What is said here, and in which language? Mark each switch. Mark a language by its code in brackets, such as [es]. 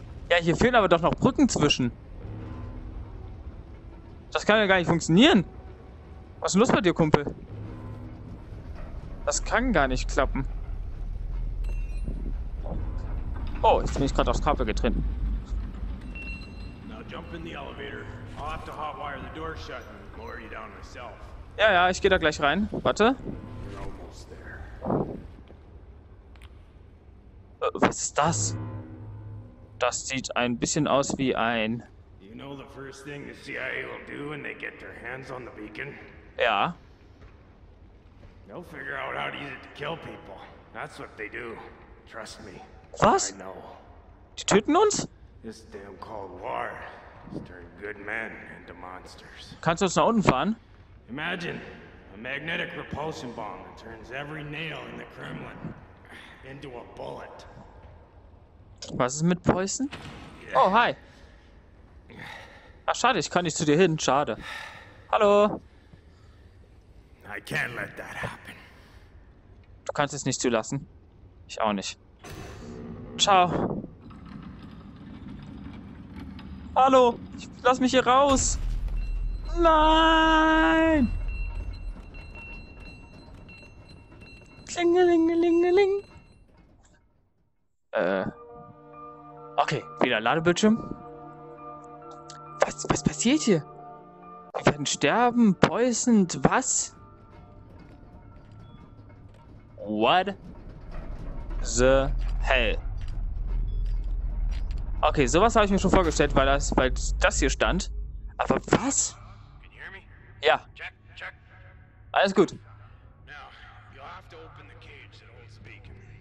[de] Ja, hier fehlen aber doch noch Brücken zwischen. Das kann ja gar nicht funktionieren. Was ist los bei dir, Kumpel? Das kann gar nicht klappen. Oh, jetzt bin ich gerade aufs Kabel getreten. [en] Now jump in the elevator. I'll have to hotwire the door shut and lower you down myself. [de] Ja, ja, ich gehe da gleich rein. Warte. [en] You're almost there. [de] Was ist das? Das sieht ein bisschen aus wie ein... [en] You know the first thing the CIA will do when they get their hands on the beacon? [de] Ja. [en] They'll figure out how to use it to kill people. That's what they do. Trust me. [de] Was? [en] I know. [de] Die töten uns? [en] This damn cold war has turned good men into monsters. [de] Kannst du uns nach unten fahren? [en] Imagine a magnetic repulsion bomb that turns every nail in the Kremlin into a bullet. [de] Was ist mit Preußen? Oh, hi. Ach, schade, ich kann nicht zu dir hin. Schade. Hallo. [en] I can't let that happen. [de] Du kannst es nicht zulassen. Ich auch nicht. Ciao. Hallo. Ich lass mich hier raus. Nein. Klingelingelingeling. Okay, wieder Ladebildschirm. Was passiert hier? Wir werden sterben, poisoned, was? [en] What the hell? [de] Okay, sowas habe ich mir schon vorgestellt, weil das hier stand. Aber was? [en] Can you hear me? [de] Ja. [en] Check. [de] Alles gut. [en] Now, you'll have to open the cage that holds the beacon.